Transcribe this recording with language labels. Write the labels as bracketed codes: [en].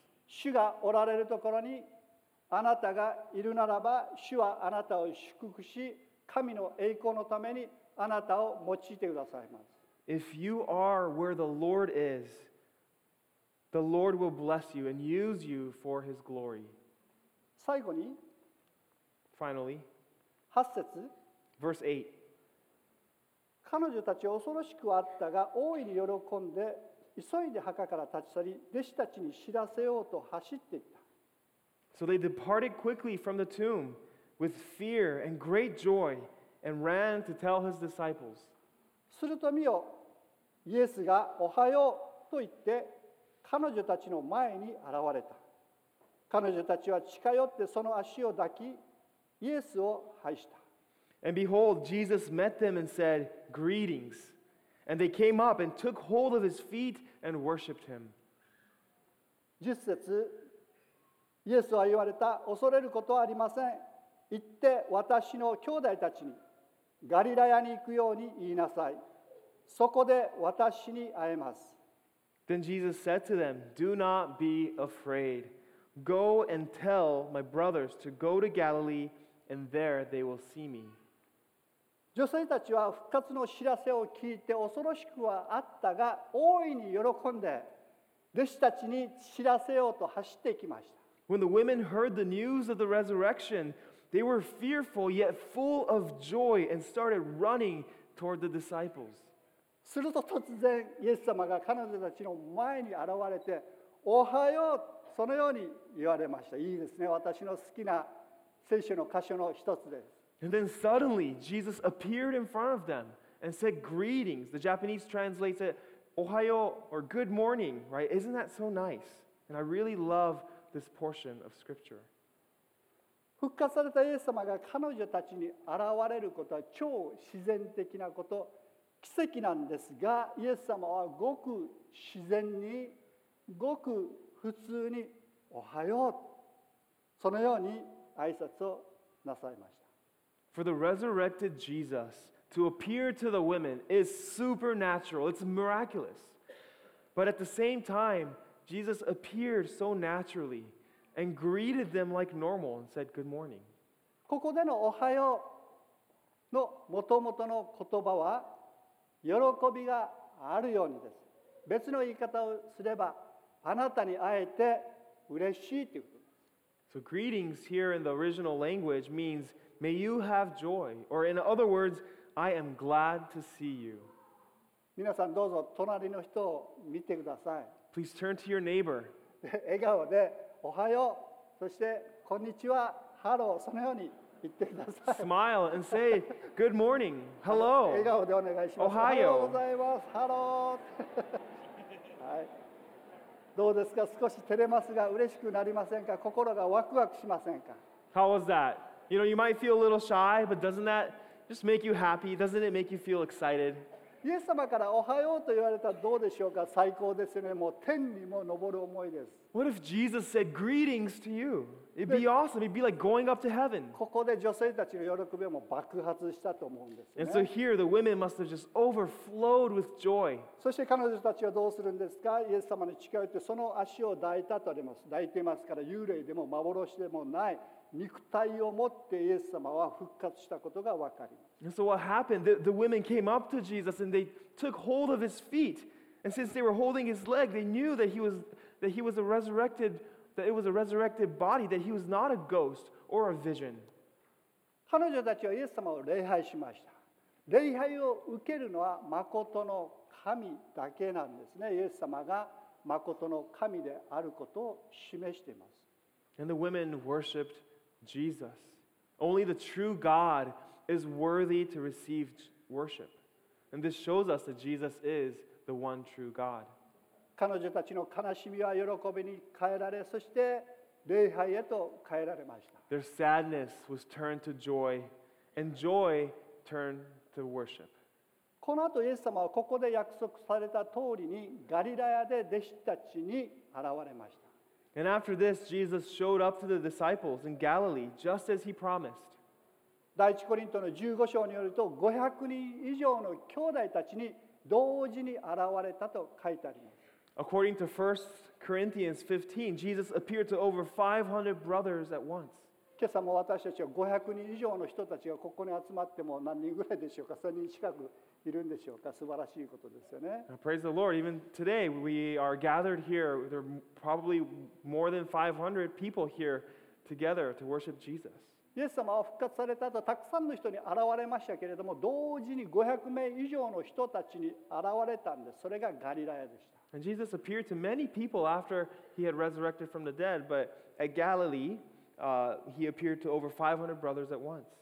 [ja] 主がおられるところにあなたがいるならば、主はあなたを祝福し、神の栄光のためにあなたを用いてくださいます。 [en] If you are where the Lord is, the Lord will bless you and use you for His glory. [ja] 最後に、 [en] Finally, [ja] 8節。 [en] Verse 8. [ja] 彼女たちは恐ろしくあったが、大いに喜んで、急いで墓から立ち去り、弟子たちに知らせようと走っていった。 [en] So they departed quickly from the tomb with fear and great joy and ran to tell his disciples. [ja] すると見よ、イエスがおはようと言って、彼女たちの前に現れた。彼女たちは近寄ってその足を抱き、イエスを拝した。 [en] And behold, Jesus met them and said, Greetings. And they came up and took hold of his feet and worshipped him. [ja] 10節、イエスは言われた、恐れることはありません。行って私の兄弟たちにガリラヤに行くように言いなさい。そこで私に会えます。 [en] Then Jesus said to them, Do not be afraid. Go and tell my brothers to go to Galilee, and there they will see me. [ja] 女性たちは復活の知らせを聞いて恐ろしくはあったが大いに喜んで弟子たちに知らせようと走っていきました。 [en] When the women heard the news of the resurrection, they were fearful yet full of joy and started running toward the disciples. [ja] すると突然イエス様が彼女たちの前に現れておはようそのように言われました。いいですね。私の好きな聖書の箇所の一つです。 [en] And then suddenly, Jesus appeared in front of them and said, Greetings. The Japanese translates it, Ohayou, or good morning, right? Isn't that so nice? And I really love this portion of scripture. [ja] 復活されたイエス様が彼女たちに現れることは超自然的なこと、奇跡なんですが、イエス様はごく自然に、ごく普通に、おはよう、そのように挨拶をなさいました。 [en] For the resurrected Jesus to appear to the women is supernatural. It's miraculous. But at the same time, Jesus appeared so naturally and greeted them like normal and said, good morning. [ja] ここでのおはようのもともとの言葉は喜びがあるようにです。別の言い方をすればあなたに会えて嬉しいということ。 [en] So greetings here in the original language means May you have joy. Or in other words, I am glad to see you. [ja] 皆さんどうぞ隣の人を見てください。 [en] Please turn to your neighbor. [ja] 笑顔でおはよう、そしてこんにちは、ハロー、そのように言ってください。 [en] Smile and say, good morning, hello. [ja] 笑顔でお願いします。おはよう。おはようございます、ハロー。はい。どうですか、少し照れますが嬉しくなりませんか、心がワクワクしませんか。 [en] How was that? You know, you might feel a little shy, but doesn't that just make you happy? Doesn't it make you feel excited? [ja] イエス様からおはようと言われたらどうでしょうか。最高ですね。もう天にも昇る思いです。 [en] What if Jesus said greetings to you? It'd be awesome. It'd be like going up to heaven. [ja] ここで女性たちの喜びも爆発したと思うんですね。 [en] And so here the women must have just overflowed with joy. [ja] そして彼女たちはどうするんですか。イエス様に近寄ってその足を抱いたとあります。抱いていますから幽霊でも幻でもない。肉体を持ってイエス様は復活したことが分かります [en] 。 And so what happened? The women came up to Jesus and they took hold of his feet. And since they were holding his leg, they knew that it was a resurrected body, that he was not a ghost or a vision. [ja] 彼女たちはイエス様を礼拝しました。礼拝を受けるのは真の神だけなんですね。イエス様が真の神であることを示しています。 [en] And the women worshipped Jesus. Only the true God is worthy to receive worship. And this shows us that Jesus is the one true God. [ja] 彼女たちの悲しみは喜びに変えられ、そして礼拝へと変えられました。 [en] Their sadness was turned to joy, and joy turned to worship. [ja] この後、イエス様はここで約束された通りにガリラヤで弟子たちに現れました。 [en] And after this, Jesus showed up to the disciples in Galilee, just as he promised. [ja] 第一コリントの十五章によると、500人以上の兄弟たちに同時に現れたと書いてあります。 [en] According to 1 Corinthians 15, Jesus appeared to over 500 brothers at once. [ja] 今朝も私たちは500人以上の人たちがここに集まっても何人ぐらいでしょうか ?1000 人近くいるんでしょうか素晴らしいことですよね。 [en] Praise the Lord. Even today, we are gathered here. There are probably more than 500 people here together to worship Jesus. [ja] イエス様は復活された後、たくさんの人に現れましたけれども、同時に500名以上の人たちに現れたんです。それがガリラヤでした。 [en] And Jesus appeared to many people after he had resurrected from the dead, but at Galilee,he appeared to over 500 brothers at once.